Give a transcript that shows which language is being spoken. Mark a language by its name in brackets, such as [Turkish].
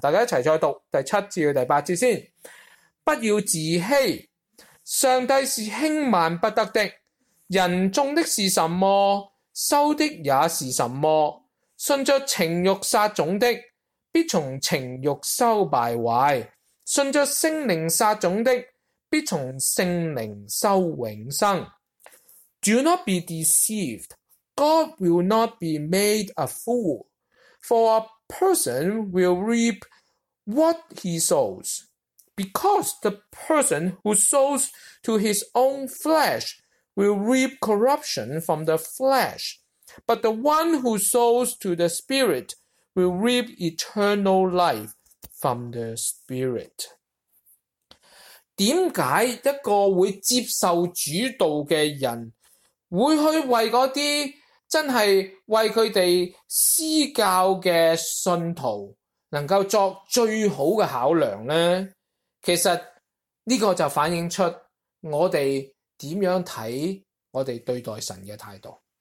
[Chinese] 大家一起再读第七至第八节先。不要自欺，上帝是轻慢不得的，人种的是什么，收的也是什么，顺着情欲撒种的必从情欲收败坏，信着圣灵撒种的必从圣灵收永生。 [English] Do not be deceived, God will not be made a fool, for a person will reap what he sows, because the person who sows to his own flesh will reap corruption from the flesh, but the one who sows to the Spirit will reap eternal life from the Spirit. [Chinese] 为什么一个会接受主道的人会去为那些真是为他们施教的信徒能够作最好的考量呢？其实这个就反映出我们怎样看我们对待神的态度。